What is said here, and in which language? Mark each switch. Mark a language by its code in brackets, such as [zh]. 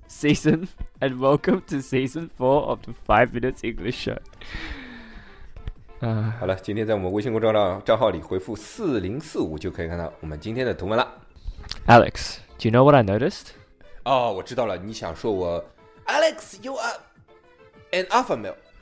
[en] And welcome to season four of the 5 minutes English show. [zh] 好了，今天在我们微信公众账号里回复4045就可以看到我们今天的图文了。 [en] Alex, do you know what I noticed? [zh] 哦，我知道了，你想说我 Alex, [en] you are an alpha male.